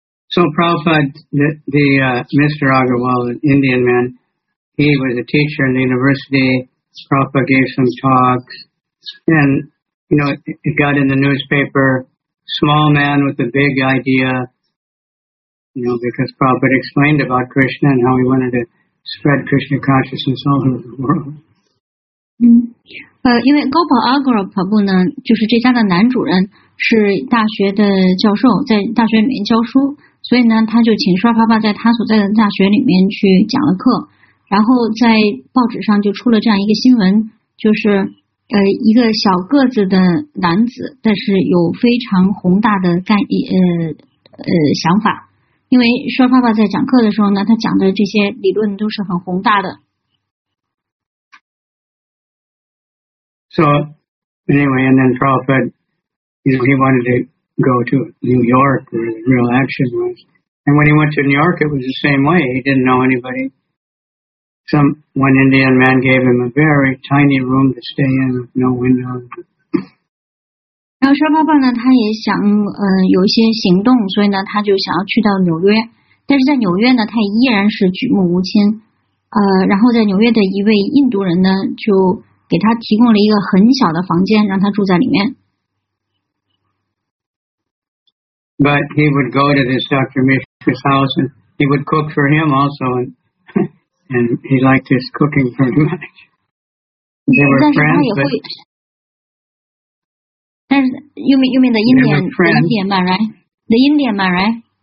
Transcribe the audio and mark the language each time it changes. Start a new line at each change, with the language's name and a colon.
English: So Prabhupada, Mr. Agarwal, an Indian man, he was a teacher in the university. Prabhupada gave some talks, and you know it got in the newspaper. Small man with a big idea, you know, because Prabhupada explained about Krishna and how he wanted to spread Krishna consciousness all over the world.
Chinese: 因为 Gopal Agarwal Prabhu 呢，就是这家的男主人，是大学的教授，在大学里面教书，所以呢，他就请舒尔帕帕在他所在的大学里面去讲了课，然后在报纸上就出了这样一个新闻，就是一个小个子的男子，但是有非常宏大的想法，因为舒尔帕帕在讲课的时候呢，他讲的这些理论都是很宏大的。
English: So anyway, and then Prabhupada, you know, he wanted to go to New York where the real action was. And when he went to New York, it was the same way. He didn't know anybody. One Indian man gave him a very tiny room to stay in, with no windows.
Chinese: 然后舒尔帕帕呢，他也想有一些行动，所以呢，他就想要去到纽约。但是在纽约呢，他依然是举目无亲。然后在纽约的一位印度人呢，就给他提供了一个很小的房间，让他住在里面。
English: But he would go to this Dr. Mishra's house, and he would cook for him also, and he liked his cooking very much. They were friends, but the Indian man, right?